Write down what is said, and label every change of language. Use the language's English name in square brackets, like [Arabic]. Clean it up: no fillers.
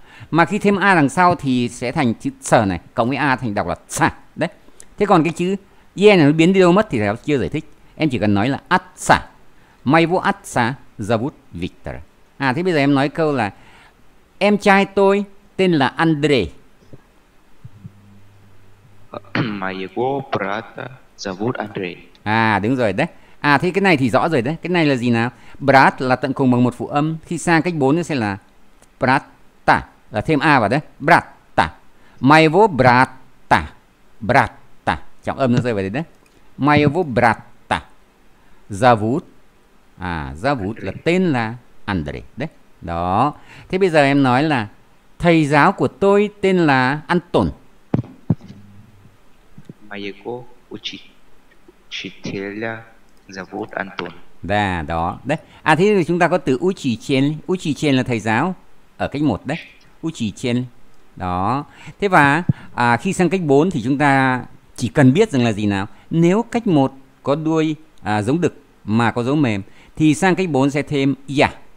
[Vietnamese] Mà khi thêm a đằng sau thì sẽ thành chữ sờ này cộng với a thành đọc là sa đấy. Thế còn cái chữ ye này nó biến đi đâu mất thì nó chưa giải thích, em chỉ cần nói là atsa. [Russian] May vô atsa zavut Victor. [Vietnamese] À thế bây giờ em nói câu là em trai tôi tên là Andre. [Russian] Моего брата зовут Андрей. [Vietnamese] À đúng rồi đấy. À thế cái này thì rõ rồi đấy. Cái này là gì nào? Brat là tận cùng bằng một phụ âm, khi sang cách 4 sẽ là brata, là thêm a vào đấy. [Russian] Brata. Моего брата. Brata. [Vietnamese] Trọng âm nó rơi vào đấy đấy. [Russian] Моего брата зовут. [Vietnamese] À зовут là tên là Андрей đấy. Đó. Thế bây giờ em nói là thầy giáo của tôi tên là Anton. [Russian] Моего учителя зовут Антон. [Vietnamese] Да, đó. Đấy. À thế thì chúng ta có từ учитель. Учитель là thầy giáo ở cách 1 đấy. [Russian] Учитель. Đó. [Vietnamese] Thế và khi sang cách 4 thì chúng ta chỉ cần biết rằng là gì nào? Nếu cách 1 có đuôi giống đực mà có dấu mềm thì sang cách 4 sẽ thêm ya.